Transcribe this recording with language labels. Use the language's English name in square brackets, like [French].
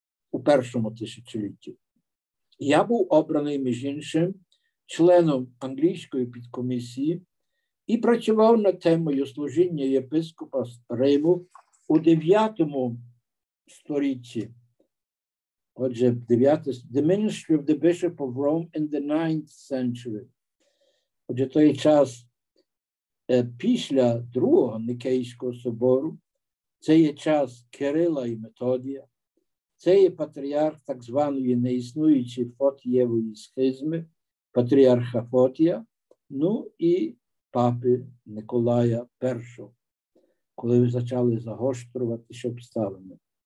[Ukrainian] у першому тисячолітті. Я був обраний, між іншим, членом англійської підкомісії і працював над темою служіння єпископа Риму у 9 сторіччі. [English] Отже, 9 The Ministry of the Bishop of Rome in the 9th century. [Ukrainian] Отже, той час після Другого Нікейського собору, це є час Кирила і Методія, це є патріарх так званої неіснуючої Фотієвої схизми, патріарха Фотія, ну і папи Николая І, коли ви почали загострювати обставини.